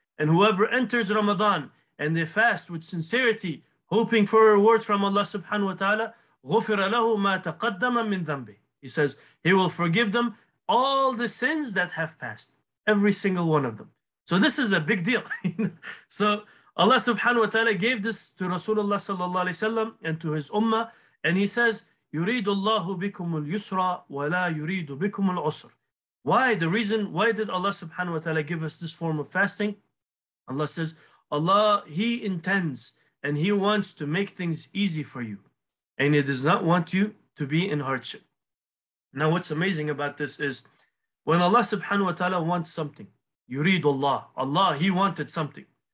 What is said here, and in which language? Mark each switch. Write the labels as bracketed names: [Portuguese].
[English] And whoever enters Ramadan and they fast with sincerity, hoping for a reward from Allah subhanahu wa ta'ala, [Arabic] غُفِرَ لَهُ مَا تَقَدَّمَ مِنْ ذَنْبِ. [English] He says, he will forgive them all the sins that have passed, every single one of them. So this is a big deal. So Allah subhanahu wa ta'ala gave this to Rasulullah sallallahu alayhi wa sallam and to his ummah. And he says, [Arabic] يُرِيدُ اللَّهُ بِكُمُ الْيُسْرَ وَلَا يُرِيدُ بِكُمُ الْعُسْرَ. [English] Why? The reason, why did Allah subhanahu wa ta'ala give us this form of fasting? Allah says, Allah, he intends and he wants to make things easy for you. And he does not want you to be in hardship. Now, what's amazing about this is when Allah subhanahu wa ta'ala wants something, [Arabic] يُرِيدُ اللَّهُ, [English] Allah, he wanted something.